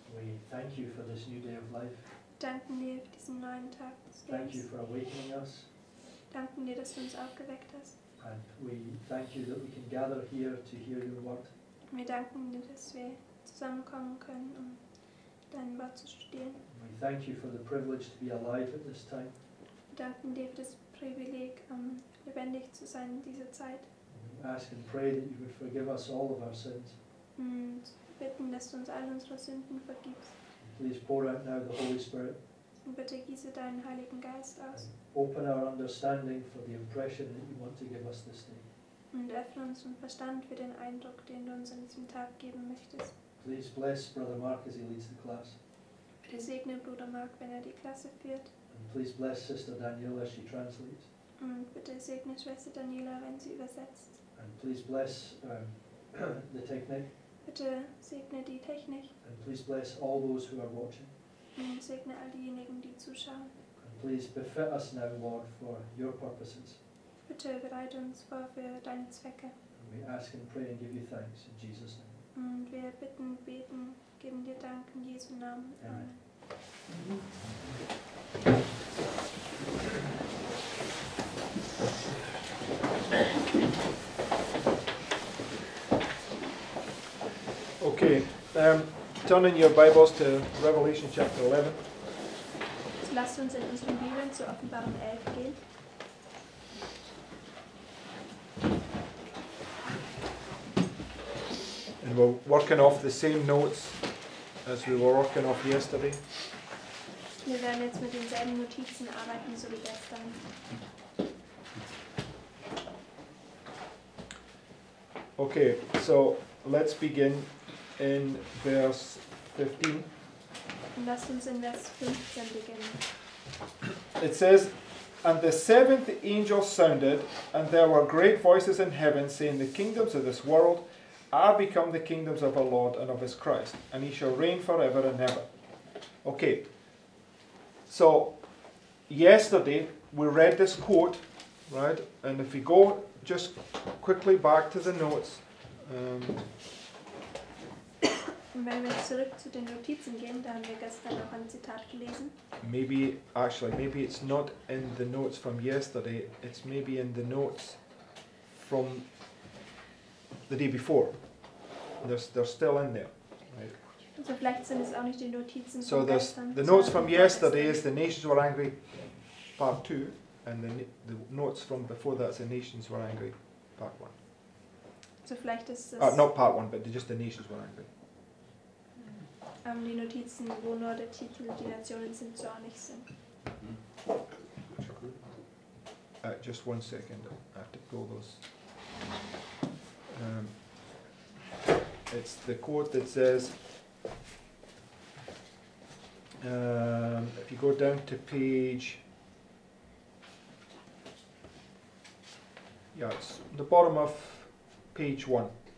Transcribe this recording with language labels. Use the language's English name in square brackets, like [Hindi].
[English] we thank you for this new day of life. [German] Danken dir für diesen neuen Tag des Lebens. [English] Thank you for awakening us. [German] Danken dir, dass du uns aufgeweckt hast. [English] And we thank you that we can gather here to hear your word. [German] Wir danken dir, dass wir zusammenkommen können, um dein Wort zu studieren. [English] We thank you for the privilege to be alive at this time. [German] Wir danken dir für das Privileg, lebendig zu sein in dieser Zeit. [English] We ask and pray that you would forgive us all of our sins. [German] Und bitten, dass du uns all unsere Sünden vergibst. [English] Please pour out now the Holy Spirit. [German] Und bitte gieße deinen Heiligen Geist aus. [English] Open our understanding for the impression that you want to give us this day. [German] Und öffne unseren Verstand für den Eindruck, den du uns an diesem Tag geben möchtest. [English] Please bless Brother Mark as he leads the class. [German] Bitte segne Bruder Mark, wenn die Klasse führt. [English] And please bless Sister Daniela as she translates. [German] Und bitte segne Schwester Daniela, wenn sie übersetzt. [English] And please bless the technique. [German] Bitte segne die Technik. [English] And please bless all those who are watching. [German] Und segne all diejenigen, die zuschauen. [English] And please befit us now, Lord, for your purposes. [German] Bitte bereite uns vor für deine Zwecke. [English] And we ask and pray and give you thanks in Jesus' name. [German] Und wir bitten, beten, geben dir Dank in Jesu Namen. [English] Amen. Okay, turn in your Bibles to Revelation chapter 11. [German] Lasst uns in unseren Bibeln zu Offenbarung 11 gehen. [English] And we're working off the same notes as we were working off yesterday. [German] Wir werden jetzt mit denselben Notizen arbeiten, so wie gestern. [English] Okay, so let's begin in verse 15. [German] Lass uns in Vers 15 beginnen. [English] It says, "And the seventh angel sounded, and there were great voices in heaven, saying, The kingdoms of this world are become the kingdoms of our Lord and of his Christ, and he shall reign forever and ever." Okay. So, yesterday we read this quote, right? And if we go just quickly back to the notes, [German] wenn wir zurück zu den Notizen gehen, da haben wir gestern noch ein Zitat gelesen. [English] Maybe it's not in the notes from yesterday, it's maybe in the notes from the day before. They're still in there. Right? [German] Also vielleicht sind es auch nicht die Notizen so von gestern. So [English] the notes from yesterday is the nations were angry, part 2, and the notes from before that's the nations were angry, part 1. [German] So vielleicht ist es... [English] Not part 1, but just the nations were angry. [German] Die Notizen, wo nur der Titel die Nationen sind, zornig sind. [English] Just one second, I have to pull those. It's the quote that says, if you go down to page, yeah, it's the bottom of page 1.